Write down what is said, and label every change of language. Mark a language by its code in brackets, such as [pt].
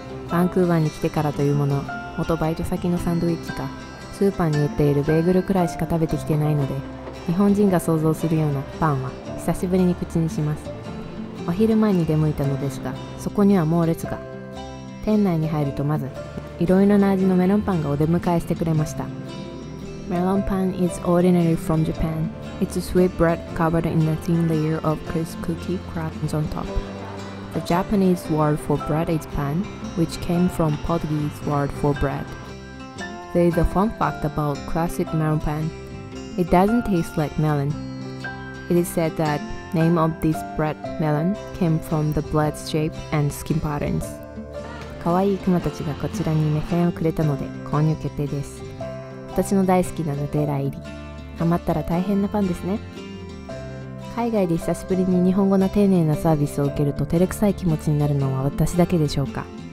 [ja] バンクーバーに来てからというもの、元バイト先のサンドイッチかスーパーに売っているベーグルくらいしか食べてきてないので、日本人が想像するようなパンは久しぶりに口にします。お昼前に出向いたのですが、そこには猛烈が。店内に入るとまずいろいろな味のメロンパンがお出迎えしてくれました。 [en] メロンパン is ordinary from Japan. It's a sweet bread covered in a thin layer of crisp cookie crumbs on top. The Japanese word for bread is pan, which came from Portuguese word for bread. There is a fun fact about classic melon pan. It doesn't taste like melon. It is said that name of this bread melon came from the bread's shape and skin patterns. [ja] かわいいクマたちがこちらに目線をくれたので購入決定です。私の大好きなヌテラ入り、ハマったら大変なパンですね。海外で久しぶりに日本語の丁寧なサービスを受けると照れくさい気持ちになるのは私だけでしょうか。